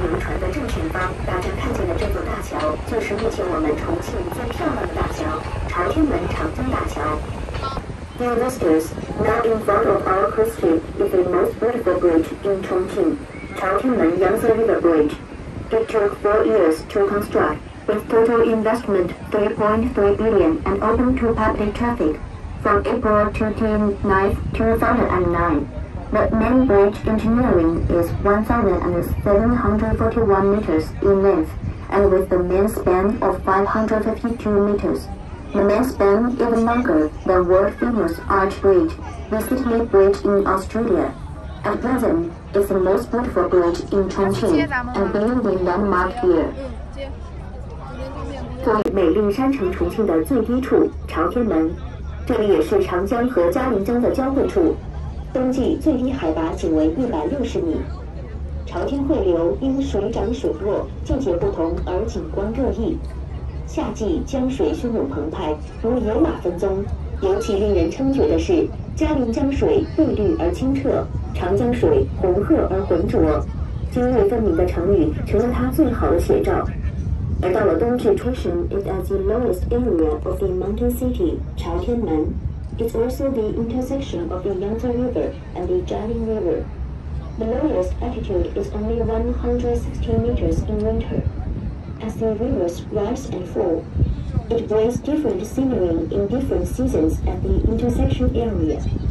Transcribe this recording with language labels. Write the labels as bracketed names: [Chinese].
[Chinese] 的正前方，大家看见的这座大桥，就是目前我们重庆最漂亮的大桥——朝天门长江大桥。 [English] Dear visitors, now in front of our crystal is the most beautiful bridge in Chongqing, 朝天门Yangtze River Bridge. It took 4 years to construct, with total investment 3.3 billion and open to public traffic from April 29, 2009. The main bridge engineering is 1,741 meters in length and with the main span of 552 meters. The main span is longer than world famous Arch Bridge, the Sydney Bridge in Australia. At present, it's the most beautiful bridge in Chongqing, and being the landmark here. [Chinese] 作为美丽山城重庆的最低处，朝天门，这里也是长江和嘉陵江的交汇处，冬季最低海拔仅为160米。朝天汇流因水涨水落、季节不同而景观各异。夏季江水汹涌澎湃，如野马分鬃。尤其令人称绝的是，嘉陵江水碧绿而清澈，长江水红褐而浑浊，泾渭分明的成语成了它最好的写照。而到了冬至 [English] ，Tushan is at the lowest area of the mountain city, 朝天门。 It's also the intersection of the Yangtze River and the Jialing River. The lowest altitude is only 160 meters in winter. As the rivers rise and fall, it brings different scenery in different seasons at the intersection area.